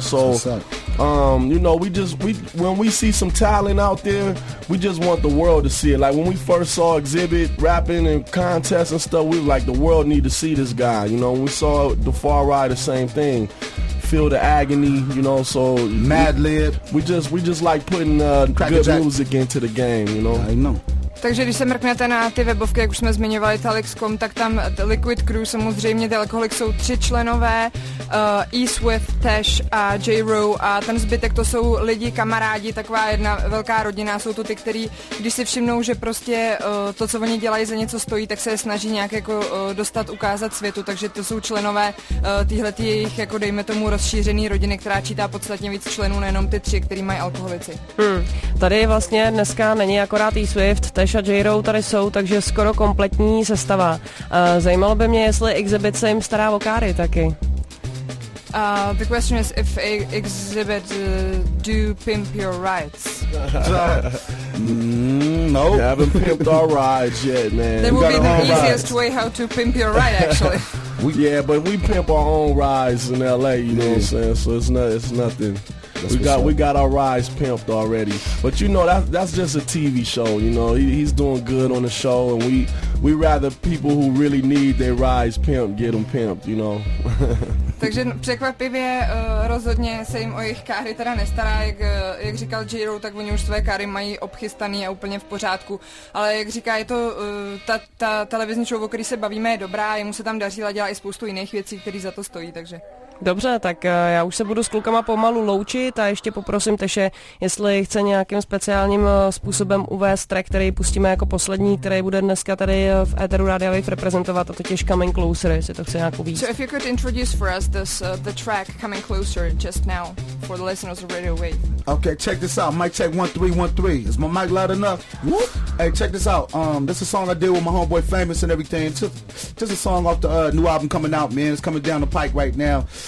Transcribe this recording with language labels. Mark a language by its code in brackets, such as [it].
[en] So, you know, when we see some talent out there, we just want the world to see it. Like, when we first saw Exhibit rapping and contests and stuff, we were like, the world need to see this guy. You know, we saw the Far Ride, the same thing. Feel the agony, you know, so Mad Lib. We just like putting good music into the game, you know. I know. [cs] Takže když se mrknete na ty webovky, jak už jsme zmiňovali, Talix.com, tak tam Liquid Crew samozřejmě, The Alcoholics jsou 3 členové, E-Swift, Tash a J-Row, a ten zbytek to jsou lidi, kamarádi, taková jedna velká rodina, jsou to ty, kteří, když si všimnou, že prostě to, co oni dělají, za něco stojí, tak se je snaží nějak jako dostat, ukázat světu, takže to jsou členové týhletý jejich, jako dejme tomu, rozšířený rodiny, která čítá podstatně víc členů, nejenom ty 3, který mají Alcoholici. Tady vlastně dneska není akorát E-Swift, Tash a J-Row tady jsou, takže skoro kompletní sestava. Zajímalo by mě, jestli Exhibit se jim stará o káry taky. [en] The question is if Exhibit do pimp your rides. No. You haven't pimped our rides yet, man. That would be the easiest rides. Way how to pimp your ride, actually. but we pimp our own rides in L.A., you know what I'm saying? So it's nothing. We got our rides pimped already. But you know, that's just a TV show, you know. He's doing good on the show, and we rather people who really need their rides pimped get them pimped, you know. [cs] Takže překvapivě rozhodně se jim o jejich káry teda nestará, jak říkal J-Row, tak oni už své káry mají obchystaný a úplně v pořádku. Ale jak říká, je to ta televizní show, o který se bavíme, je dobrá, jemu se tam daří, a dělá i spoustu jiných věcí, které za to stojí, takže... Dobře, tak já už se budu s klukama pomalu loučit a ještě poprosím Teše, jestli chce nějakým speciálním způsobem uvést track, který pustíme jako poslední, který bude dneska tady v Etheru Radio Wave reprezentovat, a to těž Coming Closer, jestli to chce nějak uvést. [en] So if you could introduce for us the track Coming Closer just now for the listeners of Radio Wave. Okay, check this out, mic check 1-3-1-3, is my mic loud enough? Whoop. Hey, check this out, this is a song I did with my homeboy Famous and everything, just a song off the new album coming out, man, it's coming down the pike right now.